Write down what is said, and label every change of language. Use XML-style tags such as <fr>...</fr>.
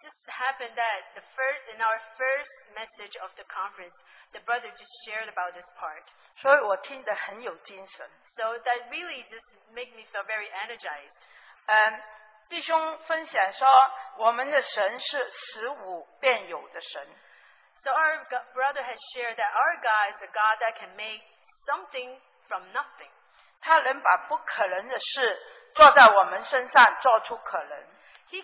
<en>just happened that the first in our first message of the conference, the brother just shared about this part.</en> <zh>所以我听得很有精神。</zh> <en>So that really just made me feel very energized.</en> <zh>弟兄分享说，我们的神是十五变有的神。</zh> <en>So our brother has shared that our God is a God that can make something from nothing.</en> <zh>他能把不可能的事做到我们身上，做出可能。</zh> <en>He</en>